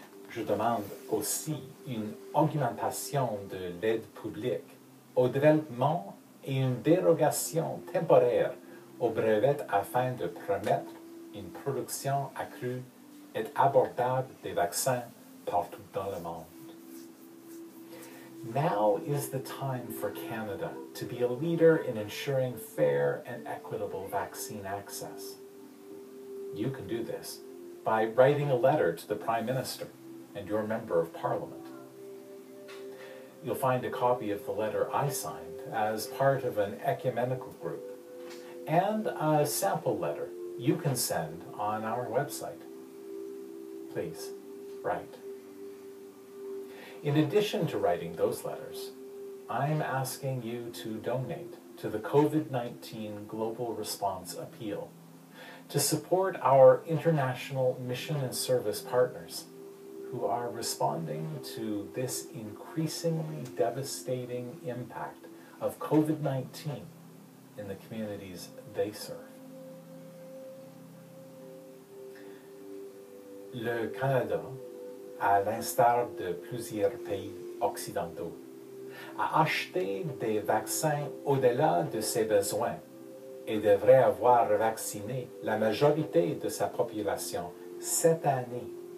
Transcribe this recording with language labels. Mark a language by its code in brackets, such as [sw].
[fr] Je demande aussi une augmentation de l'aide publique au développement et une dérogation temporaire aux brevets afin de permettre une production accrue et abordable des vaccins partout dans le monde. [en] Now is the time for Canada to be a leader in ensuring fair and equitable vaccine access. You can do this by writing a letter to the Prime Minister and your Member of Parliament. You'll find a copy of the letter I signed as part of an ecumenical group and a sample letter you can send on our website. Please write. In addition to writing those letters, I'm asking you to donate to the COVID-19 Global Response Appeal to support our international mission and service partners who are responding to this increasingly devastating impact of COVID-19 in the communities they serve. [fr] Le Canada, à l'instar de plusieurs pays occidentaux, a acheté des vaccins au-delà de ses besoins et devrait avoir vacciné la majorité de sa population cette année.